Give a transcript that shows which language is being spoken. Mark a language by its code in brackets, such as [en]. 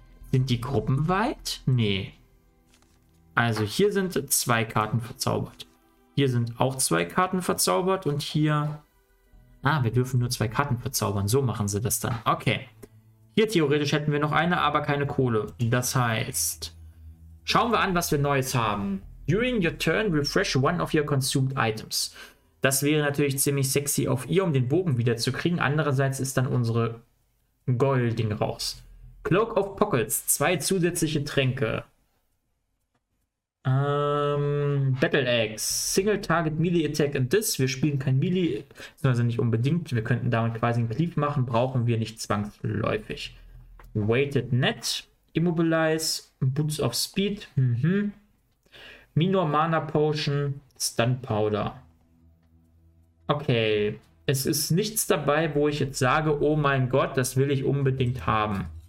[de] Sind die Gruppen weit? Nee. Also hier sind zwei Karten verzaubert. Hier sind auch zwei Karten verzaubert und hier. Ah, wir dürfen nur zwei Karten verzaubern. So machen sie das dann. Okay. Hier theoretisch hätten wir noch eine, aber keine Kohle. Das heißt. Schauen wir an, was wir Neues haben. [en] During your turn, refresh one of your consumed items. [de] Das wäre natürlich ziemlich sexy auf ihr, um den Bogen wieder zu kriegen. Andererseits ist dann unsere Goal-Ding raus. Cloak of Pockets. Zwei zusätzliche Tränke. [en] Battle Axe, Single Target Melee Attack and this. [de] Wir spielen kein Melee, also nicht unbedingt. Wir könnten damit quasi einen Cleave machen, brauchen wir nicht zwangsläufig. [en] Weighted Net, Immobilize, Boots of Speed, Minor Mana Potion, Stun Powder. [de] Okay, es ist nichts dabei, wo ich jetzt sage, oh mein Gott, das will ich unbedingt haben.